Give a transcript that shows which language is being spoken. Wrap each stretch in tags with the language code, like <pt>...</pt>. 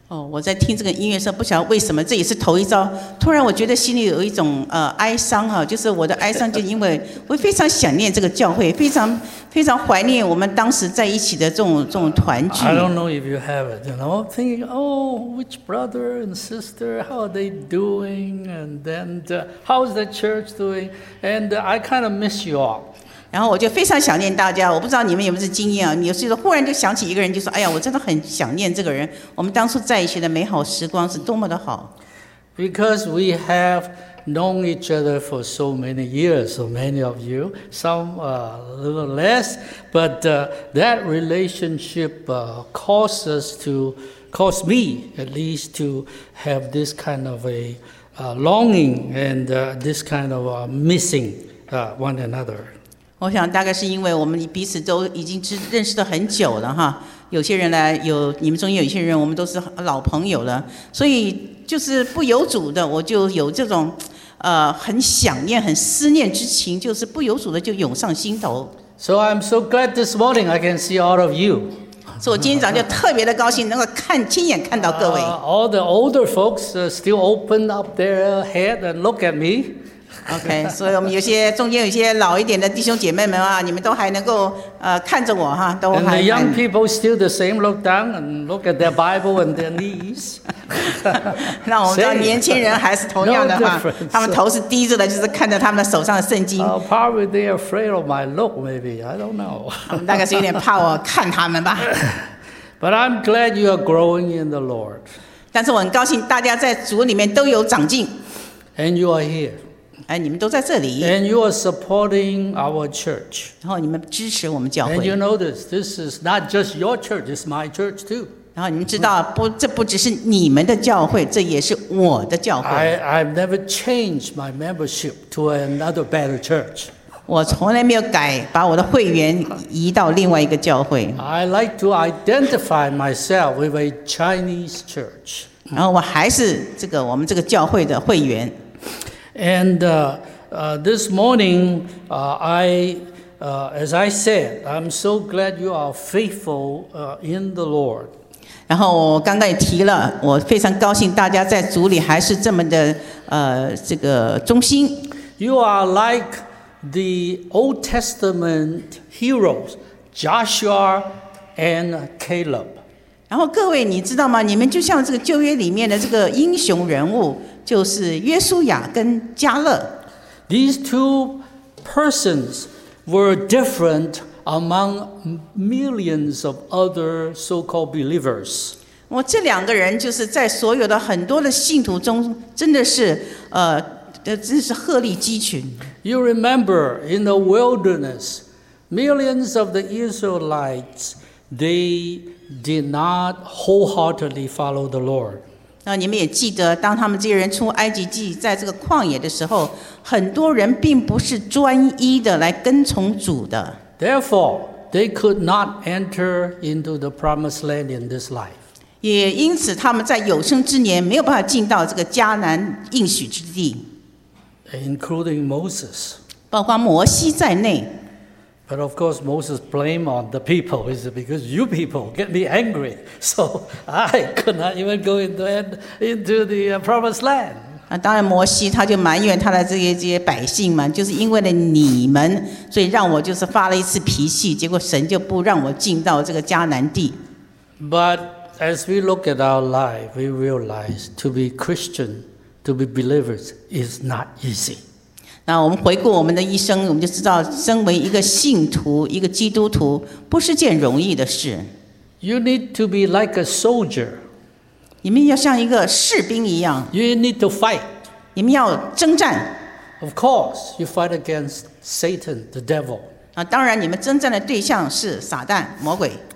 <zh>我在听这个音乐时，不晓得为什么，这也是头一遭。突然，我觉得心里有一种哀伤哈，就是我的哀伤，就因为我非常想念这个教会，非常非常怀念我们当时在一起的这种团聚。</zh> <en>I don't know if you have it, you know, thinking, oh, which brother and sister, how are they doing, and then how's the church doing, and I kind of miss you all.</en> <zh>然后我就非常想念大家，我不知道你们有没有经验啊？有时候忽然就想起一个人，就说：“哎呀，我真的很想念这个人。我们当初在一起的美好时光是多么的好。”</zh> <en>Because we have known each other for so many years, so many of you, some a little less, but that relationship caused me at least to have this kind of a longing and this kind of missing one another.</en> <zh>我想大概是因为我们彼此都已经认识得很久了哈，有些人来有你们中间有些人我们都是老朋友了，所以就是不由主的我就有这种很想念很思念之情，就是不由主的就涌上心头。</zh> <en>So I'm so glad this morning I can see all of you.</en> <zh>所以我今天早就特别的高兴能够看亲眼看到各位。</zh> <en>All the older folks still open up their head and look at me</en> <zh>OK, 所以我们有些中间有些老一点的弟兄姐妹们啊，你们都还能够看着我哈，都还。</zh> <en>And the young people still the same, look down and look at their Bible and their knees.</en> <zh>那我们的年轻人还是同样的哈，他们头是低着的，就是看着他们手上的圣经。</zh> <en>Probably they're afraid of my look, maybe, I don't know.</en> <zh>大概是有点怕我看他们吧。</zh> <en>But I'm glad you are growing in the Lord.</en> <zh>但是我很高兴大家在主里面都有长进。</zh> <en>And you are here.</en> <zh>哎，你们都在这里。</zh> <en>And you are supporting our church.</en> <zh>然后你们支持我们教会。</zh> <en>And you know this, this is not just your church, it's my church too.</en> <zh>然后你们知道，这不只是你们的教会，这也是我的教会。</zh> <en>I've never changed my membership to another better church.</en> <zh>我从来没有改，把我的会员移到另外一个教会。</zh> <en>I like to identify myself with a Chinese church.</en> <zh>然后我还是这个我们这个教会的会员。</zh> <en>And this morning, as I said, I'm so glad you are faithful in the Lord.</en> <zh>然后我刚刚也提了，我非常高兴大家在主里还是这么的这个忠心。</zh> <en>You are like the Old Testament heroes, Joshua and Caleb.</en> <zh>然后各位你知道吗？你们就像这个旧约里面的这个英雄人物。就是约书亚跟加勒。</zh> <en>These two persons were different among millions of other so-called believers.</en> <zh>我这两个人就是在所有的很多的信徒中，真的是真是鹤立鸡群。</zh> <en>You remember in the wilderness, millions of the Israelites they did not wholeheartedly follow the Lord.</en> <zh>你们也记得当他们这些人出埃及记在这个旷野的时候很多人并不是专一的来跟从主的。</zh> <en>Therefore, they could not enter into the promised land in this life.</en> <zh>也因此他们在有生之年没有办法进到这个迦南应许之地。</zh> <en>Including Moses.</en> <zh>包括摩西在内。</zh> <en>But of course, Moses blamed on the people, is it? Because you people get me angry, so I could not even go into the promised land.</en> <zh>那当然，摩西他就埋怨他的这些百姓们，就是因为了你们，所以让我就是发了一次脾气，结果神就不让我进到这个迦南地。</zh> <en>But as we look at our life, we realize to be Christian, to be believers is not easy.</en> <zh>那我们回顾我们的一生，我们就知道，身为一个信徒，一个基督徒，不是件容易的事。</zh> <en>You need to be like a soldier.</en> <zh>你们要像一个士兵一样。</zh> <en>You need to fight.</en> <zh>你们要征战。</zh> <en>Of course, you fight against Satan, the devil.</en> <zh>啊，当然，你们征战的对象是撒旦，魔鬼。</zh>